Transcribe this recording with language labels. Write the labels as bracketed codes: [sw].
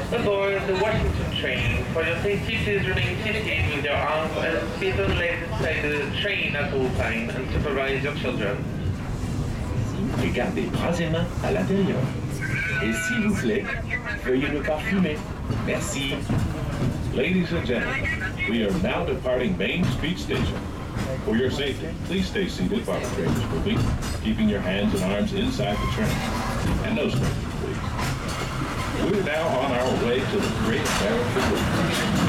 [en] For your safety, please remain seated with your arms and feet and legs inside the train at all times and supervise your children. [fr] Regardez bras et mains à l'intérieur. Et s'il vous plaît, veuillez ne pas fumer. Merci. [en] Ladies and gentlemen, we are now departing Main Street Station. For your safety, please stay seated while the train is moving, keeping your hands and arms inside the train. And no smoking. We're now on our way to the Great American Railroad.